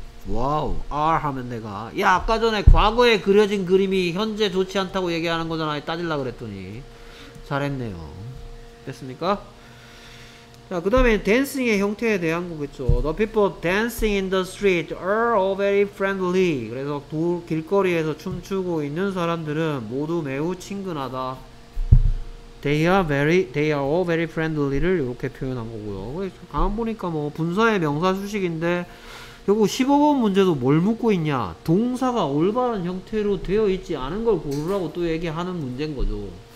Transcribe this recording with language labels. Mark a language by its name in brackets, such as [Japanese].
[Korean] 와우, R 하면 내가. 야, 아까 전에 과거에 그려진 그림이 현재 좋지 않다고 얘기하는 거잖아. 따질라 그랬더니. 잘했네요. 됐습니까? 자, 그 다음에 댄싱의 형태에 대한 거겠죠. [English] The people dancing in the street are all very friendly. [Korean] 그래서 길거리에서 춤추고 있는 사람들은 모두 매우 친근하다. [English] They are all very friendly를 [Korean] 이렇게 표현한 거고요. 가만 보니까 뭐, 분사의 명사 수식인데, 결국 15번 문제도 뭘 묻고 있냐? 동사가 올바른 형태로 되어 있지 않은 걸 고르라고 또 얘기하는 문제인 거죠.